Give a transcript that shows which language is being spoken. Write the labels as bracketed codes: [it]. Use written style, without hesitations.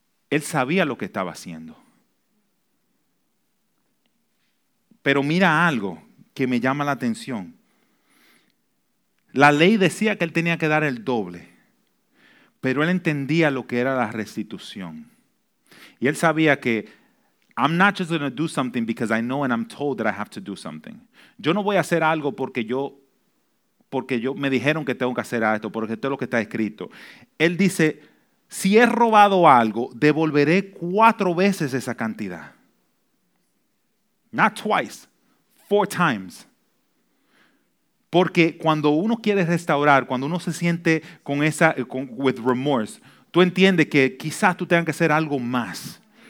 [es] Él sabía lo que estaba haciendo. Pero mira algo que me llama la atención. La ley decía que él tenía que dar el doble, pero él entendía lo que era la restitución. Y él sabía que [en] I'm not just going to do something because I know and I'm told that I have to do something. [es] Yo no voy a hacer algo porque me dijeron que tengo que hacer esto, porque esto es lo que está escrito. Él dice, si he robado algo, devolveré 4 veces esa cantidad. [en] Not twice, 4 times. [es] Porque cuando uno quiere restaurar, cuando uno se siente con esa, [en] with remorse, [es] tú entiendes que quizás tú tengas que hacer algo más.